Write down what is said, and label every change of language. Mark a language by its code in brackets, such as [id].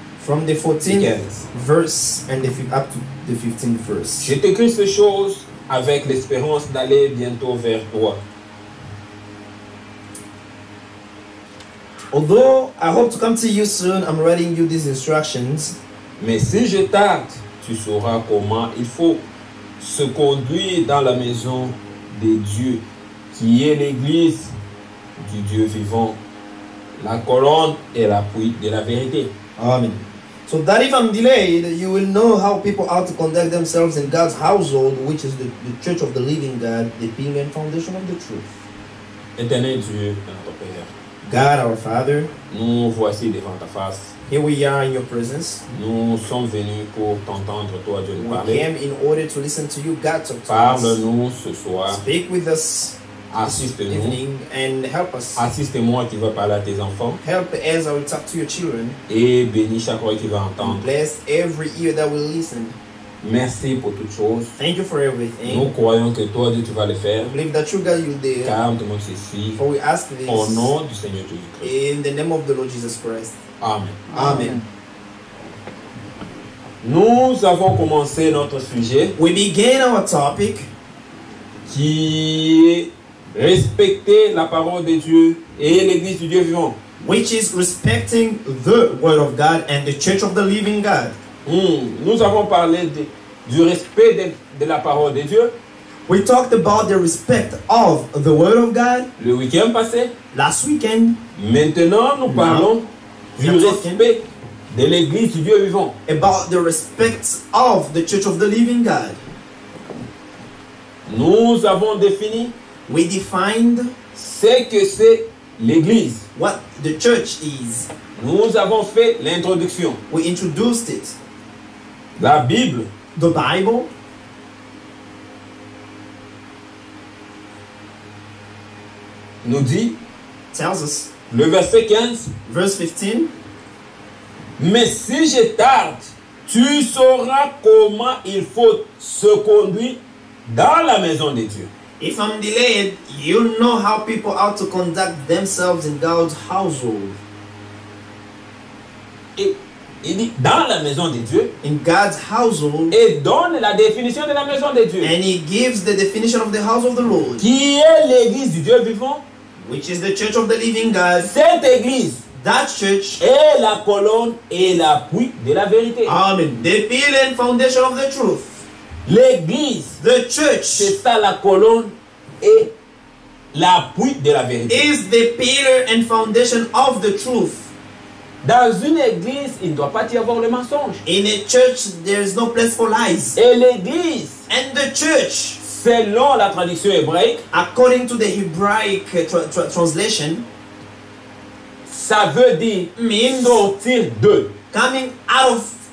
[en] from the 14th verse and the up to the 15th verse. [fr] Je t'écris ces choses avec l'espérance d'aller bientôt vers toi. [en] Although I hope to come to you soon, I'm writing you these instructions. [fr] Mais si je tarde, tu sauras comment il faut se conduire dans la maison de Dieu, qui est l'Église du Dieu vivant. La colonne est l'appui de la vérité. Amen. [en] So that if I'm delayed, you will know how people ought to conduct themselves in God's household, which is the church of the living God, the pillar and foundation of the truth. [fr] Éternel Dieu, notre Père. [en] God, our Father. [fr] Nous voici devant ta face. [en] Here we are in your presence. [fr] Nous sommes venus pour t'entendre, toi, Dieu, nous parler. [en] We came in order to listen to you, God, talk to us. [fr] Parle-nous ce soir. [en] Speak with us. [fr] Assiste-nous. [en] Evening and help us. [fr] Assiste-moi qui va parler à tes enfants. [en] Help as I will talk to your children. [fr] Et bénis chaque oreille qui va entendre. [en] Bless every ear that will listen. [fr] Merci pour toutes choses. [en] Thank you for everything. [fr] Nous croyons que toi Dieu tu vas le faire. [en] Believe that you God you did. [fr] Car nous demandons ceci. [en] For we ask this. [fr] Au nom du Seigneur Jésus Christ. [en] In the name of the Lord Jesus Christ. [fr] Amen. [en] Amen. [fr] Nous avons commencé notre sujet. [en] We begin our topic. [fr] Qui respecter la parole de Dieu et l'église du Dieu vivant. [en] Which is respecting the word of God and the church of the living God. [fr] Nous avons parlé du respect de la parole de Dieu. [en] We talked about the respect of the word of God. [fr] Le week-end passé. [en] Last weekend. [fr] Maintenant, nous parlons du respect de l'église du Dieu vivant. [en] About the respect of the church of the living God. [fr] Nous avons défini. [en] We defined [fr] ce que c'est l'église. [en] What the church is. [fr] Nous avons fait l'introduction. [en] We introduced it. [fr] La Bible. [en] The Bible. [fr] Nous dit. [en] Tells us. [fr] Le verset 15. [en] Verse 15. [fr] Mais si je tarde, tu sauras comment il faut se conduire dans la maison de Dieu. [en] If I'm delayed, you know how people ought to conduct themselves in God's household. [fr] Et il dit dans la maison de Dieu. [en] In God's household. [fr] Et donne la définition de la maison de Dieu. [en] And he gives the definition of the house of the Lord. [fr] Qui est l'église du Dieu vivant? [en] Which is the church of the living God. [fr] Cette église. [en] That church. [fr] Est la colonne et l'appui de la vérité. [en] Amen. The pillar and foundation of the truth. [fr] L'église. [en] The church. [fr] C'est ça la colonne et l'appui de la vérité. [en] Is the pillar and foundation of the truth. [fr] Dans une église, il ne doit pas y avoir le mensonge. [en] In a church, there is no place for lies. [fr] Et l'église. [en] And the church. [fr] Selon la traduction hébraïque. [en] According to the Hebraic translation. [fr] Ça veut dire. [en] Means. [fr] Sortir de. [en] Coming out of.